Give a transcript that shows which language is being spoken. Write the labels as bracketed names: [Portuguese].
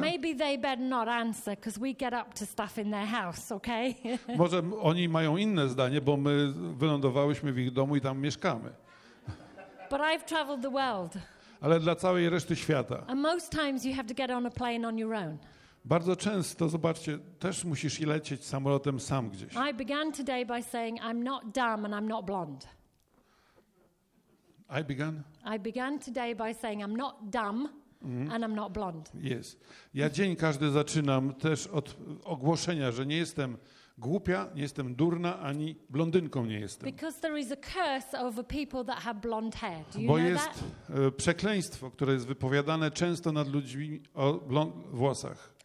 [English] Maybe they better not answer, because we get up to stuff in their house, okay? [Polish] Może oni mają inne zdanie, bo my wylądowałyśmy w ich domu i tam mieszkamy. [English] But I've traveled the world. [Polish] Ale dla całej reszty świata. [English] And most times you have to get on a plane on your own. [Polish] Bardzo często, zobaczcie, też musisz i lecieć samolotem sam gdzieś. [English] I began today by saying I'm not dumb and I'm not blonde. I began today by saying I'm not dumb and I'm not blonde. Yes. [Polish] Ja dzień każdy zaczynam też od ogłoszenia, że nie jestem głupia, nie jestem durna ani blondynką nie jestem. [English] Because there is a curse over people that have blonde hair. Do you know that? [Polish] Bo jest przekleństwo, które jest wypowiadane często nad ludźmi o blond włosach.